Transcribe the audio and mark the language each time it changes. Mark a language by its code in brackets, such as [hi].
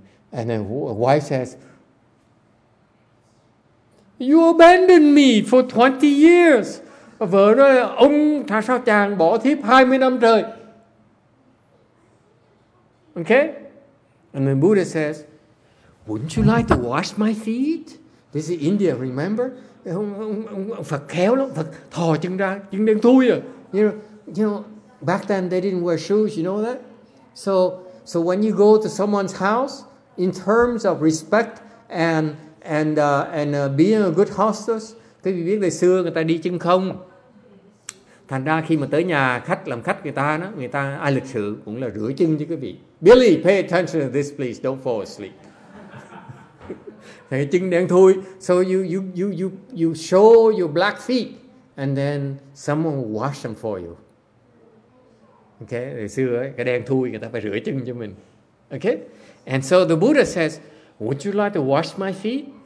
[en] And then the wife says, "You abandoned me for 20 years." [vi] Vợ nói, ông tại sao chàng bỏ thiếp 20 năm trời? [en] Okay? And then Buddha says, "Wouldn't you like to wash my feet?" This is India, remember? [vi] Phật khéo lắm, Phật thò chân ra, chân đen thui à. [en] You know, back then they didn't wear shoes, you know that? So when you go to someone's house, in terms of respect and being a good hostess, [vi] quý vị biết ngày xưa người ta đi chân không. Thành ra khi mà tới nhà khách làm khách người ta đó, người ta ai lịch sự cũng là rửa chân chứ quý vị. [en] Billy, pay attention to this please, don't fall asleep. [vi] Thấy chân đen thui, [en] so you show your black feet and then someone will wash them for you. [vi] Okay, ngày xưa ấy, cái đen thui người ta phải rửa chân cho mình. [en] Okay, and so the Buddha says, would you like to wash my feet?